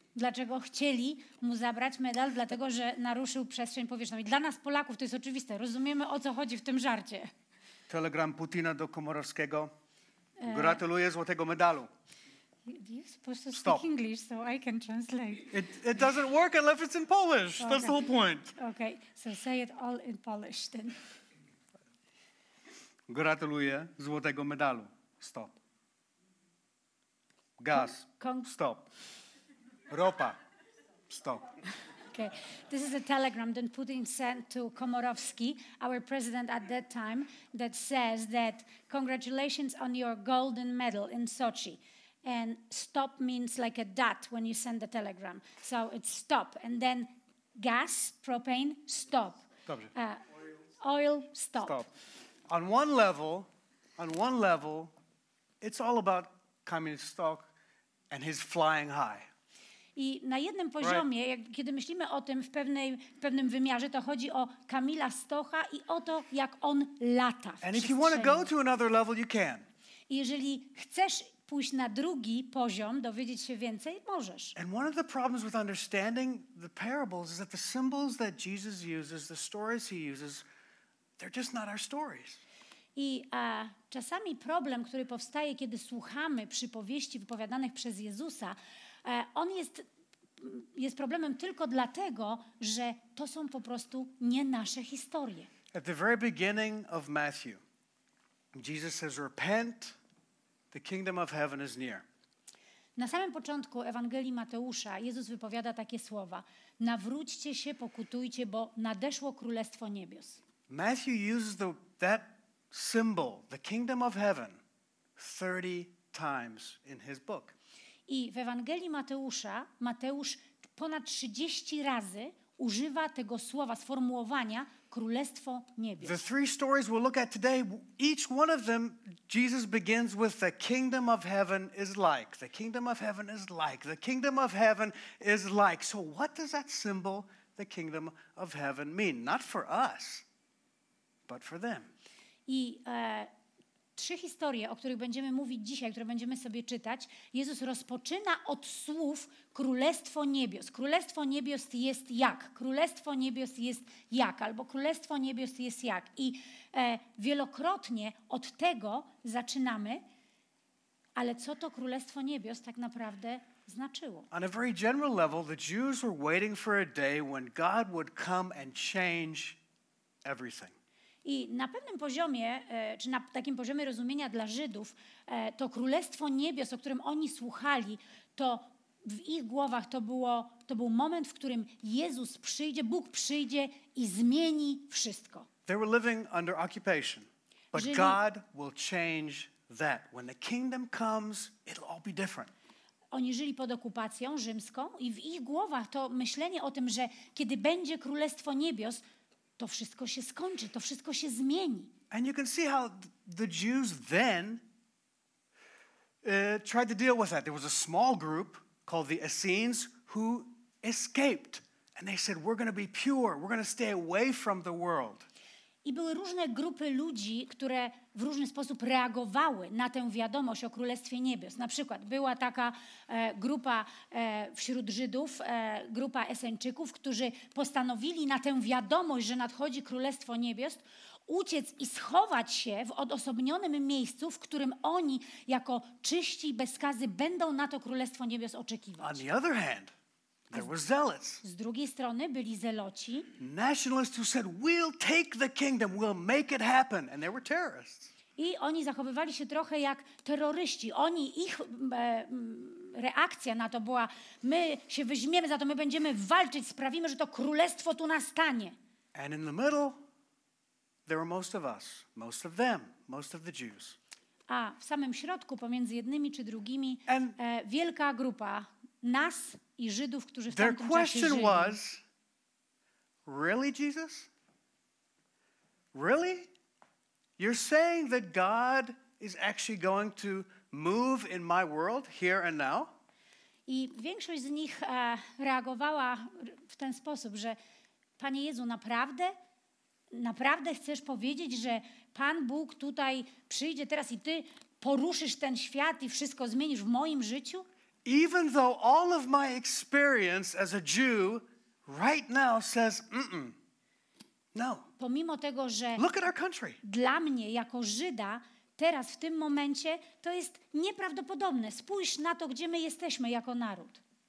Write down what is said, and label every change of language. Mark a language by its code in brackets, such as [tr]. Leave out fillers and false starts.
[pl] Dlaczego chcieli mu zabrać medal? Dlatego, że naruszył przestrzeń powietrzną. I dla nas Polaków to jest oczywiste. Rozumiemy, o co chodzi w tym żarcie. Telegram Putina do Komorowskiego. Gratuluję złotego medalu. [en] You're supposed to speak English, so I can translate. It doesn't work unless it's in Polish. Okay. That's the whole point. Okay, so say it all in Polish then. [pl] Gratuluję złotego medalu. Stop. Gaz. Stop. Ropa. Stop. [en] Okay. This is a telegram that Putin sent to Komorowski, our president at that time, that says that congratulations on your golden medal in Sochi. And stop means like a dot when you send the telegram. So it's stop. And then gas, propane, stop. Oil, stop. Stop. On one level, it's all about Kamil Stock and his flying high. [pl] I na jednym poziomie, kiedy myślimy o tym w pewnym wymiarze, to chodzi o Kamila Stocha i o to, jak on lata w przestrzeni. [en] And if you want to go to another level, you can. [pl] I jeżeli chcesz pójść na drugi poziom, dowiedzieć się więcej, możesz. [en] And one of the problems with understanding the parables is that the symbols that Jesus uses, the stories he uses, they're just not our stories. [pl] I czasami problem, który powstaje, kiedy słuchamy przypowieści wypowiadanych przez Jezusa, on jest problemem tylko dlatego, że to są po prostu nie nasze historie. [en] At the very beginning of Matthew, Jesus says, "Repent, the kingdom of heaven is near." [pl] Na samym początku Ewangelii Mateusza Jezus wypowiada takie słowa: "Nawróćcie się, pokutujcie, bo nadeszło królestwo niebios." [en] Matthew uses that symbol, the kingdom of heaven, 30 times in his book. [pl] I w Ewangelii Mateusza, Mateusz ponad 30 razy używa tego słowa, sformułowania Królestwo Niebios. [en] The three stories we'll look at today, each one of them, Jesus begins with the kingdom of heaven is like, the kingdom of heaven is like, the kingdom of heaven is like. So what does that symbol, the kingdom of heaven, mean? Not for us, but for them. [pl] I trzy historie, o których będziemy mówić dzisiaj, które będziemy sobie czytać, Jezus rozpoczyna od słów Królestwo Niebios. Królestwo Niebios jest jak? Królestwo Niebios jest jak? Albo Królestwo Niebios jest jak? I wielokrotnie od tego zaczynamy, ale co to Królestwo Niebios tak naprawdę znaczyło? [en] On a very general level, the Jews were waiting for a day when God would come and change everything. [pl] I na pewnym poziomie, czy na takim poziomie rozumienia dla Żydów, to Królestwo Niebios, o którym oni słuchali, to w ich głowach to był moment, w którym Jezus przyjdzie, Bóg przyjdzie i zmieni wszystko. [en] They were living under occupation, but Żydzi... God will change that. When the kingdom comes, it'll all be different. [pl] Oni żyli pod okupacją rzymską i w ich głowach to myślenie o tym, że kiedy będzie Królestwo Niebios, to wszystko się skończy, to wszystko się zmieni. [en] And you can see how the Jews then tried to deal with that. There was a small group called the Essenes who escaped. And they said, we're going to be pure, we're going to stay away from the world. [pl] I były różne grupy ludzi, które w różny sposób reagowały na tę wiadomość o Królestwie Niebios. Na przykład była taka grupa wśród Żydów, grupa Esenczyków, którzy postanowili na tę wiadomość, że nadchodzi Królestwo Niebios, uciec i schować się w odosobnionym miejscu, w którym oni jako czyści bez skazy będą na to Królestwo Niebios oczekiwać. [en] On the other hand. There were zealots. [pl] Z drugiej strony byli zeloci. [en] Nationalists who said, "We'll take the kingdom, we'll make it happen," and there were terrorists. [pl] I oni zachowywali się trochę jak terroryści. Oni ich reakcja na to była: my się weźmiemy za to, my będziemy walczyć, sprawimy, że to królestwo tu nastanie. [en] And in the middle, there were most of us, most of them, most of the Jews. [pl] A w samym środku, pomiędzy jednymi czy drugimi, wielka grupa nas. I Żydów, którzy w [en] Their question [pl] żyli. [en] Was, really, Jesus? Really? You're saying that God is actually going to move in my world here and now? [pl] I większość z nich reagowała w ten sposób, że Panie Jezu, naprawdę chcesz powiedzieć, że Pan Bóg tutaj przyjdzie teraz i Ty poruszysz ten świat i wszystko zmienisz w moim życiu? [en] Even though all of my experience as a Jew right now says no. [pl] Pomimo tego, że [en] Look at our country. [pl] Dla mnie jako Żyda teraz w tym momencie to jest nieprawdopodobne. Spójrz na to, gdzie my jesteśmy jako naród.